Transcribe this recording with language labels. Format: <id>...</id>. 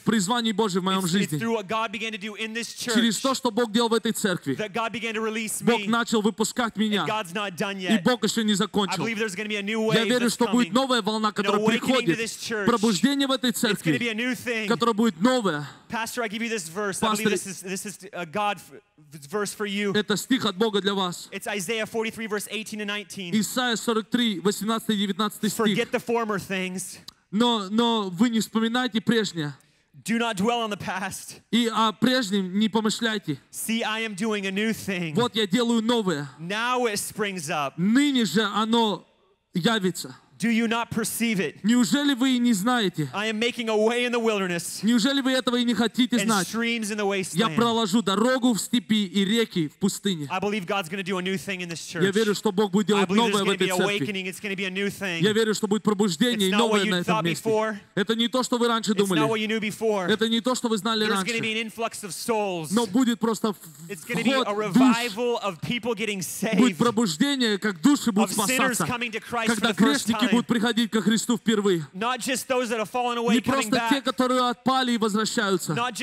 <ru>В призвании Божий в моем жизни. Через то, что Бог делал в этой церкви. Бог начал выпускать меня. И Бог еще не закончил. Я верю, что будет новая волна, которая приходит. Пробуждение в этой церкви, которое будет новое.</ru> <en>Pastor, I give you this verse. Pastor, I believe this is a God verse for you.</en> <ru>Это стих от Бога для вас.</ru> <en>It's Isaiah 43 verse 18 and 19.</en> <ru>Исайя 43, 18-19 стих.</ru> <en>Forget the former things.</en> <ru>Но вы не вспоминайте прежнее.</ru> <en>Do not dwell on the past.</en> <ru>И о прежнем не помышляйте.</ru> <en>See, I am doing a new thing.</en> <ru>Вот я делаю новое.</ru> <en>Now it springs up.</en> <ru>Ныне же оно явится.</ru> <en>Do you not perceive it?</en> <ru>Неужели вы не знаете?</ru> <en>I am making a way in the wilderness.</en> <ru>Неужели вы этого и не хотите знать?</ru> <en>And streams in the wasteland.</en> <ru>Я проложу дорогу в степи и реки в пустыне.</ru> <en>I believe God's going to do a new thing in this church.</en> <ru>Я верю, что Бог будет делать новое в этой церкви.</ru> <en>I believe there's going to be awakening. It's going to be a new thing.</en> <ru>Я верю, что будет пробуждение и новое на этом месте.</ru> <en>It's not what you thought before.</en> <ru>Это не то, что вы раньше думали.</ru> <en>It's not what you knew before.</en> <ru>Это не то, что вы знали раньше.</ru> <en>There's going to be an influx of souls.</en> <ru>Но будет просто вход душ.</ru> <en>It's going to be a revival of people getting saved.</en> <ru>Будет пробуждение, как души будут спасаться. Когда грешники будут приходить ко Христу впервые. Не просто те, которые отпали и возвращаются.</ru>